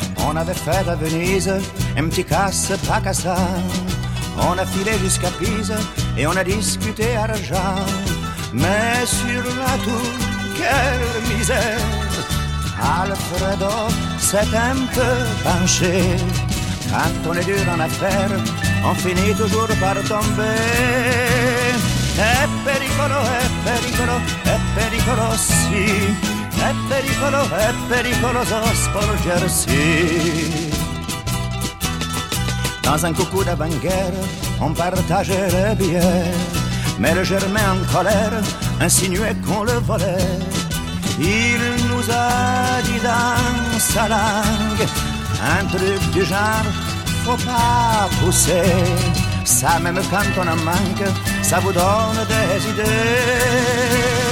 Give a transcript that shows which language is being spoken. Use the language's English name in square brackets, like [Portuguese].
[French] On avait fait à Venise un petit casse-pacassin, on a filé jusqu'à Pise et on a discuté argent. Mais sur la tour, quelle misère, Alfredo s'est un peu penché. Quand on est dur en affaire, on finit toujours par tomber. [Italian] È pericolo, è pericolo, sì. È pericoloso sporgersi. [French] Dans un coucou d'avant-guerre, on partageait les bières, mais le Germain en colère insinuait qu'on le volait. Il nous a dit dans sa langue un truc du genre, faut pas pousser, ça même quand on en manque, ça vous donne des idées.